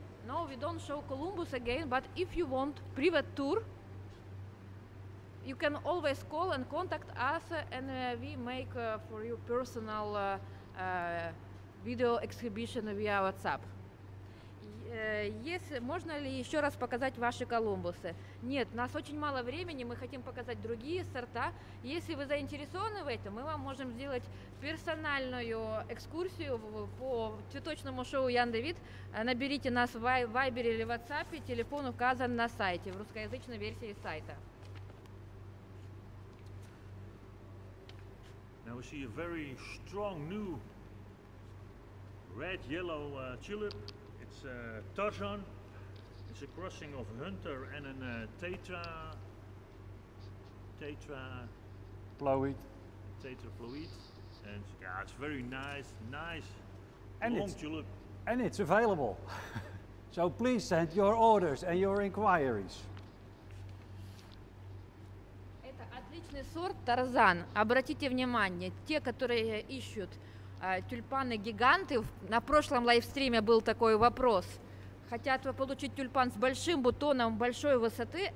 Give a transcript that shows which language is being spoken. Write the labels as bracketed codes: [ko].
[en] No, we don't show Columbus again, but if you want private tour, you can always call and contact us and we make for you personal video exhibition via WhatsApp. [ru] Есть, можно ли еще раз показать ваши колумбусы? Нет, у нас очень мало времени, мы хотим показать другие сорта. Если вы заинтересованы в этом, мы вам можем сделать персональную экскурсию по цветочному шоу Ян Давид. Наберите нас в Вайбере или WhatsApp, телефон указан на сайте, в русскоязычной версии сайта. [en] Now we see a very strong new red-yellow tulip. It's a Tarzan. It's a crossing of Hunter and an tetraploid. Tetraploid, and yeah, it's very nice, nice and long tulip. And it's available. So please send your orders and your inquiries. [ru] Это отличный сорт Тарзан. Обратите внимание, те, которые ищут. Тюльпаны-гиганты. На прошлом лайвстриме был такой вопрос. Хотят вы получить тюльпан с большим бутоном, большой высоты?